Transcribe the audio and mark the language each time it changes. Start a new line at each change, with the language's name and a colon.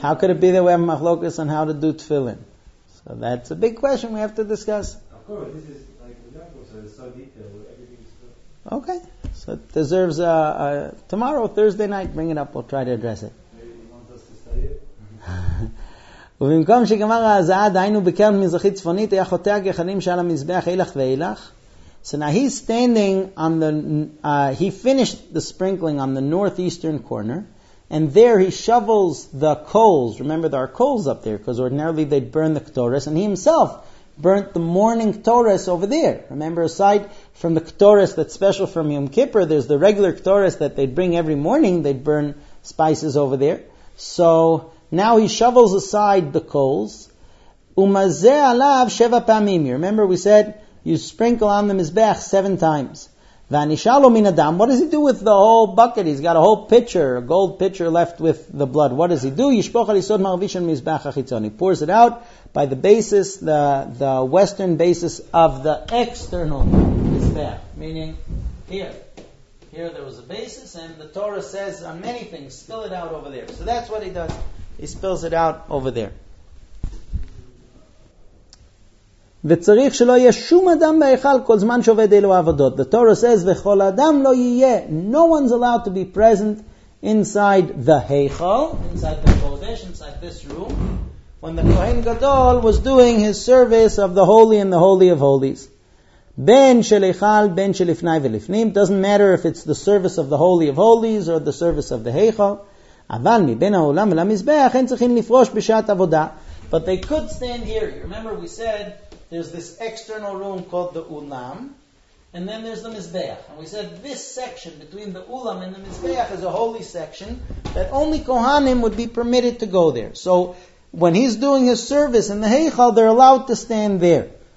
English: How could it be that we have machlokas on how to do tefillin? So that's a big question we have to discuss. Of course, this is like the Yaakov said, it's so detailed, everything is so. Okay, so it deserves a tomorrow, Thursday night, bring it up, we'll try to address it. Maybe he wants us to study it?
Hebrew: ובמקום שגמר הזעד היינו בקרן מזרחית צפונית היה חוטא הגחלים שעל המזבח אילך ואילך.
English: So now he's standing on the he finished the sprinkling on the northeastern corner, and there he shovels the coals. Remember, there are coals up there because ordinarily they'd burn the ktoris, and he himself burnt the morning ktoris over there. Remember, aside from the ktoris that's special from Yom Kippur, there's the regular ktoris that they'd bring every morning. They'd burn spices over there. So now he shovels aside the coals.
Hebrew: Umazeh alav sheva pamim.
English: You remember we said you sprinkle on the mizbech seven times.
Hebrew: Vanishalo min adam.
English: What does he do with the whole bucket? He's got a whole pitcher, a gold pitcher left with the blood. What does he do?
Hebrew: Yishpoch al yisod maravish on mizbech achitzon.
English: He pours it out by the basis, the western basis of the external mizbech. Meaning here there was a basis, and the Torah says on many things, spill it out over there. So that's what he does. He spills it out over there.
Hebrew: וצריך שלא יהיה שום אדם בהיכל כל זמן שעובד אלו עבודות.
English: The Torah says,
Hebrew: וכל אדם לא יהיה.
English: No one's allowed to be present inside the heichal, inside the kodesh, inside this room, when the Kohen Gadol was doing his service of the holy and the holy of holies.
Hebrew: בין של היכל, בין של לפני ולפנים.
English: Doesn't matter if it's the service of the holy of holies or the service of the heichal.
Hebrew: אבל מבין העולם ולמזבח הם צריכים לפרוש בשעת עבודה.
English: But they could stand here. Remember we said there's this external room called the ulam, and then there's the mizbeach. And we said this section between the ulam and the mizbeach is a holy section that only kohanim would be permitted to go there. So when he's doing his service in the heichal, they're allowed to stand there.